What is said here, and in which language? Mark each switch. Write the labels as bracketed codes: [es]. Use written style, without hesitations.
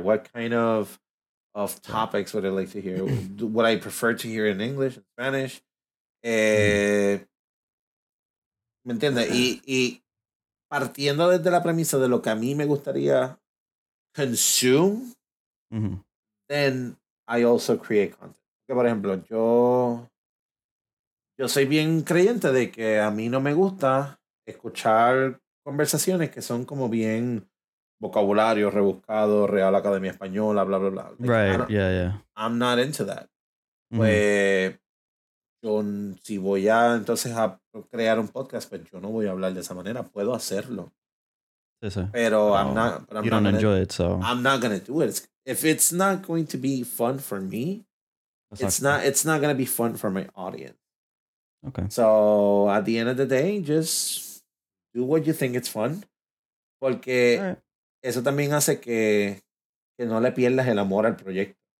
[en] What kind of topics would I like to hear? Would I prefer to hear in English, Spanish? [es] ¿Me entiendes? Y partiendo desde la premisa de lo que a mí me gustaría consume, mm-hmm. [en] then I also create content. [es] Que por ejemplo, yo soy bien creyente de que a mí no me gusta escuchar conversaciones que son como bien vocabulario rebuscado, Real Academia Española, bla, bla, bla. [en] Like, right, yeah, yeah. I'm not into that. Mm-hmm. [es] Pues, yo, si voy a entonces a crear un podcast, pues yo no voy a hablar de esa manera. Puedo hacerlo. Eso. Pero [en] oh, I'm not... But I'm you not don't gonna, enjoy it, so... I'm not gonna do it. If it's not going to be fun for me, it's not gonna be fun for my audience. Okay. So, at the end of the day, just... Do what you think it's fun. [es] Porque [en] right. [es] eso también hace que no le pierdas el amor al proyecto.